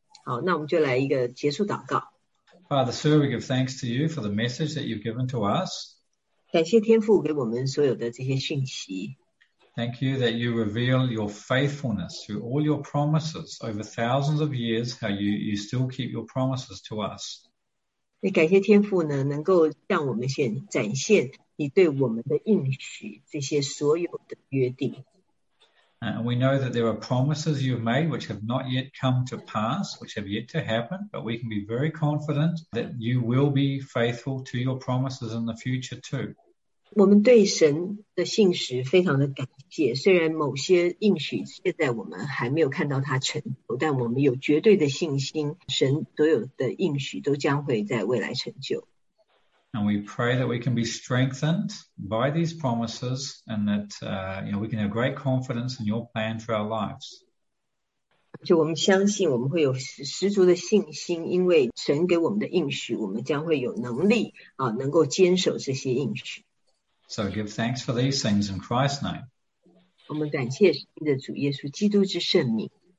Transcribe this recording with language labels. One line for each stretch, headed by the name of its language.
Chinese: 好，那我们就来一个结束祷告。
English: Father, sir, we give thanks to you for the message that you've given to us.
Chinese: 感谢天父给我们所有的这些信息。
English: Thank you that you reveal your faithfulness through all your promises over thousands of years, how you still keep your promises to us.
Chinese: 也感谢天父呢，能够向我们先展现你对我们的应许，这些所有的约定。
English: And we know that there are promises you've made which have not yet come to pass, which have yet to happen, but we can be very confident that you will be faithful to your promises in the future too.
Chinese: 我们对神的信实非常的感谢，虽然某些应许现在我们还没有看到它成就，但我们有绝对的信心，神所有的应许都将会在未来成就。
English: And we pray that we can be strengthened by these promises and that we can have great confidence in your plan for our lives.
Chinese: 就我们相信我们会有十足的信心，因为神给我们的应许，我们将会有能力啊，能够坚守这些应许。
English: So give thanks for these things in Christ's name.
Chinese: 我们感谢神的主耶稣基督之圣名。